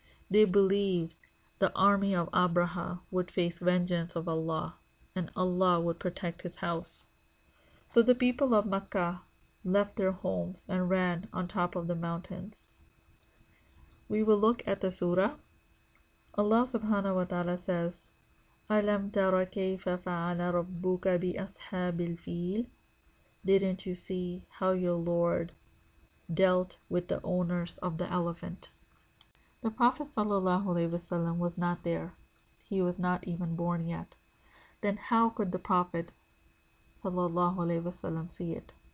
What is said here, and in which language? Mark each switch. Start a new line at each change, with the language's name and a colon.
English: They believed the army of Abraha would face vengeance of Allah, and Allah would protect his house. So the people of Mecca left their homes and ran on top of the mountains. We will look at the surah. Allah subhanahu wa ta'ala says,
Arabic: أَلَمْ تَرَ كَيْفَ فَعَلَ رَبُّكَ بِأَصْحَابِ الْفِيلِ.
English: Didn't you see how your Lord dealt with the owners of the elephant? The Prophet ﷺ was not there. He was not even born yet. Then how could the Prophet ﷺ see it?